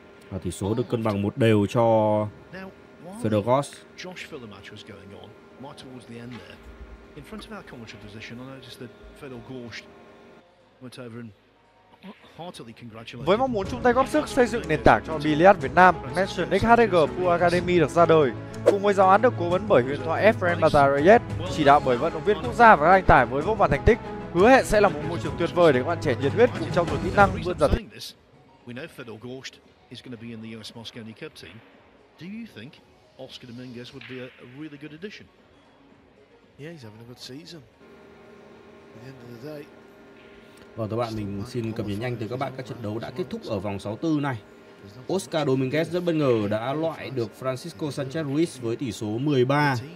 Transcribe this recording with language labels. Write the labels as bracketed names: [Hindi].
[Vietnamese] Và tỷ số được cân bằng một đều cho Fedogos. [English] Josh felt the match was going on, right towards the end there. In front of our commentary position, I noticed that Fedor Gorsht went over and heartily congratulated. [Vietnamese] Với mong muốn chúng ta góp sức xây dựng nền tảng cho billiard Việt Nam, Mansion XHG Pool Academy được ra đời. Cùng với giáo án được cố vấn bởi huyền thoại Efren Bazaryev, chỉ đạo bởi vận động viên quốc gia và các anh tài với vô vàn thành tích, hứa hẹn sẽ là một môi trường tuyệt vời để các bạn trẻ nhiệt huyết cùng trao đổi kỹ năng vươn ra thành tích. [English] We know Fedor Gorsht is going to be in the US Moscone Cup team. Do you think Oscar Dominguez would be a really good addition? Yeah, he's having a good season. At the end of the day. [Vietnamese] Vâng, thưa bạn, mình xin cập nhật nhanh từ các bạn. Các trận đấu đã kết thúc ở vòng 64 này. Oscar Dominguez rất bất ngờ đã loại được Francisco Sanchez Ruiz với tỷ số 13.